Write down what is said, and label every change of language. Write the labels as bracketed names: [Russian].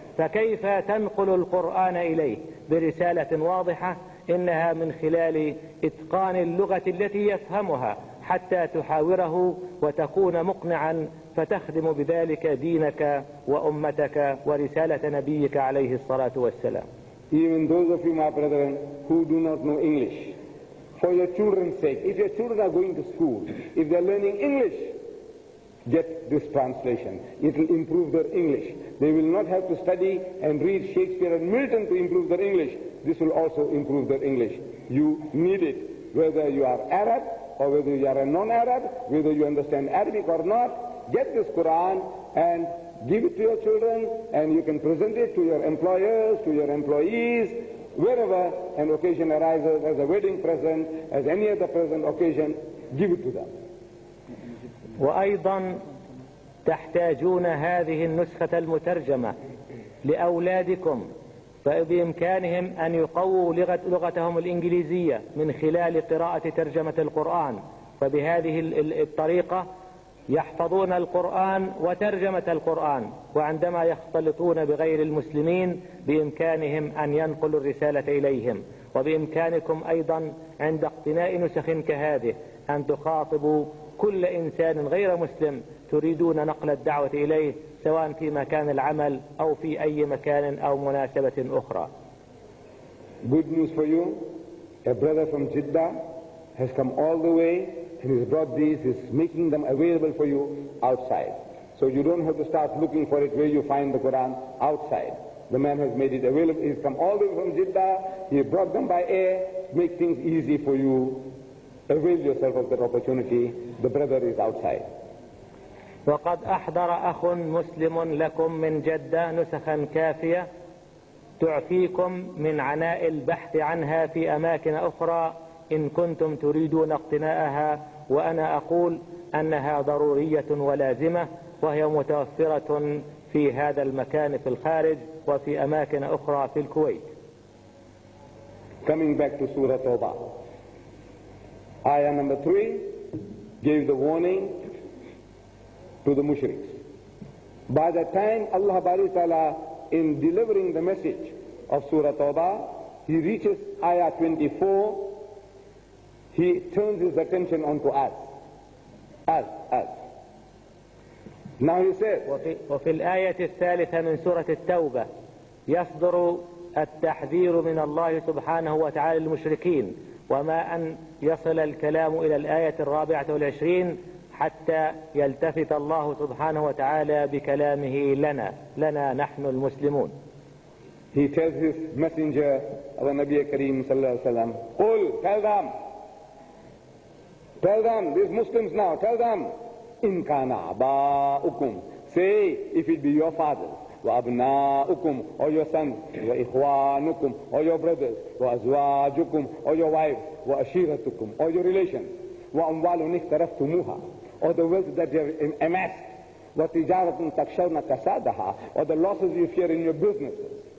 [Arabic] فكيف تنقل القرآن إليه برسالة واضحة؟ إنها من خلال إتقان اللغة التي يفهمها حتى تحاوره وتكون مقنعا، فتخدم بذلك دينك وأمتك ورسالة نبيك عليه الصلاة والسلام. [English] Even those of you, my brethren, who do not know English, for your children's sake, if your children are going to school, if they're learning English, get this translation. It will improve their English. They will not have to study and read Shakespeare and Milton to improve their English. This will also improve their English. You need it, whether you are Arab or whether you are a non-Arab, whether you understand Arabic or not. Get this Quran and give it to your children, and you can present it to your employers, to your employees, wherever an occasion arises, as a wedding present, as any other present occasion, give it to them. [Arabic] وأيضا تحتاجون هذه النسخة المترجمة لأولادكم، فبإمكانهم أن يقووا لغتهم الإنجليزية من خلال قراءة ترجمة القرآن، فبهذه الطريقة يحفظون القرآن وترجمة القرآن، وعندما يختلطون بغير المسلمين بإمكانهم أن ينقلوا الرسالة إليهم. وبإمكانكم أيضا عند اقتناء نسخ كهذه أن تخاطبوا كل إنسان غير مسلم تريدون نقل الدعوة إليه، سواء في مكان العمل أو في أي مكان أو مناسبة أخرى. [English] Good news for you. A brother from Jeddah has come all the way and he's brought these, he's making them available for you outside. So you don't have to start looking for it where you find the Quran outside. The man has made it available. He's come all the way from Jeddah. He brought them by air, make things easy for you. Avail yourself of that opportunity. The brother is outside. [Arabic] وقد أحضر أخ مسلم لكم من جدة نسخا كافية تعفيكم من عناء البحث عنها في أماكن أخرى إن كنتم تريدون اقتناءها، وأنا أقول أنها ضرورية ولازمة، وهي متوفرة في هذا المكان في الخارج وفي أماكن أخرى في الكويت. [English] Coming back to Surah Toba. Ayah number 3 gave the warning to the mushriks. By the time Allah Bari Ta'ala, in delivering the message of Surah Tawbah, he reaches ayah 24, he turns his attention onto us. Now he says, [Arabic] وفي الآية الثالثة من سورة التوبة يصدر التحذير من الله سبحانه وتعالى للمشركين، وما أن يصل الكلام إلى الآية 24 حتى يلتفت الله سبحانه وتعالى بكلامه لنا نحن المسلمون. [English] He tells his messenger of the Nabi Kareem [Arabic] صلى الله عليه وسلم, قل, [English] tell them, these Muslims now, tell them, [Arabic] إن كان آباؤكم, [English] say, if it be your fathers, [Arabic] وأبناؤكم, [English] or your sons, [Arabic] وإخوانكم, [English] or your brothers, [Arabic] وأزواجكم, [English] or your wives, [Arabic] وأشيرتكم, [English] or your relations, [Arabic] وأموالٌ اقترفتموها, [English] or the wealth that you have amassed, [Arabic] وَتِجَارَةٌ تَكْشَرْنَ كَسَادَهَا, [English] or the losses you fear in your businesses,